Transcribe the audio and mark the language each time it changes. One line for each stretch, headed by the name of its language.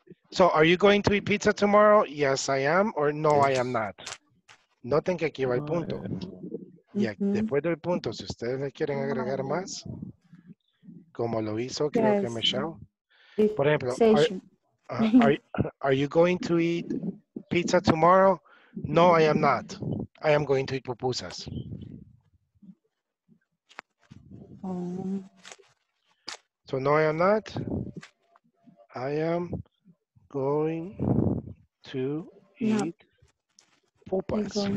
English: So are you going to eat pizza tomorrow? Yes, I am. Or no, yes. I am not.
Spanish: Noten que aquí va el punto. Y después del punto, si ustedes le quieren agregar más, como lo hizo, creo que Michelle. Por ejemplo,
English: are you going to eat pizza tomorrow? No, I am not. I am going to eat pupusas. So no, I am not. I am going to eat pupas.